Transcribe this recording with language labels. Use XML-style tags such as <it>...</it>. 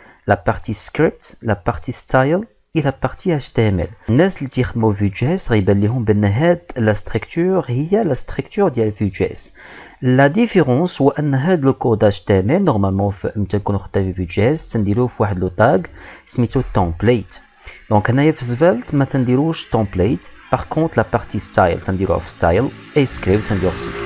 <fr>la partie script, la partie style et la partie HTML.</fr> <ar>الناس اللي تيخدموا في Vue.js غيبان لهم بان هاد لا ستركتور هي لا ستركتور ديال Vue.js.</ar> <fr>La différence</fr> <ar>هو ان هاد لو كود HTML نورمالمون فمتى نكونو خدام في Vue.js تنديرو في واحد لو تاغ سميتو template. دونك هنايا في Svelte ما تنديروش template.</ar> <fr>Par contre, la partie style, ça dit style et script, ça dit script.</fr>